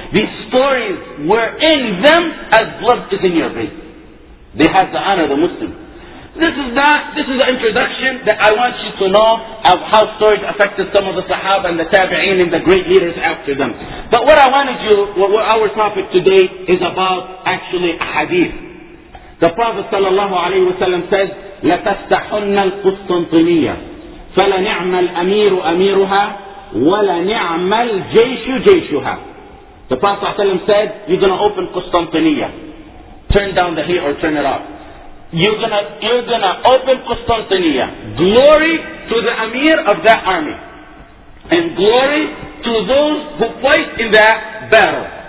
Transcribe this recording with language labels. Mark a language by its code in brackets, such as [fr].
[en] These stories were in them as blood is in your veins. They had the honor of the Muslim. This is the introduction that I want you to know of how stories affected some of the Sahaba and the Tabi'een and the great leaders after them. But what I wanted you, what our topic today is about actually a hadith. The Prophet sallallahu alayhi wa sallam says, [ar] لَتَفْتَحُنَّ الْقُسْطَنْطِنِيَّةِ فَلَنِعْمَ الْأَمِيرُ أَمِيرُهَا وَلَنِعْمَ الْجَيْشُ جَيْشُهَا. [en] The Prophet said, you're going to open Constantinople. Turn down the heat or turn it off. You're gonna open Constantinople. Glory to the Amir of that army. And glory to those who fight in that battle.